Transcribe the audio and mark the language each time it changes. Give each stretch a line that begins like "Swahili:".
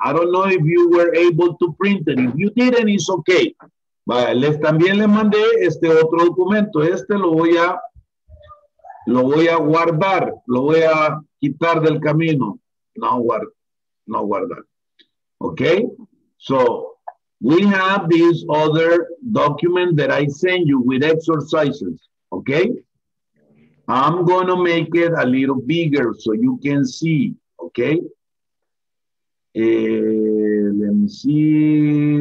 English: I don't know if you were able to print it. If you didn't, it's ok.
Spanish: Vale, también les mandé este otro documento. Este lo voy a guardar, lo voy a quitar del camino. No guardar. Okay?
English: So, we have this other document that I send you with exercises. Okay? I'm going to make it a little bigger so you can see. Okay? Let me see.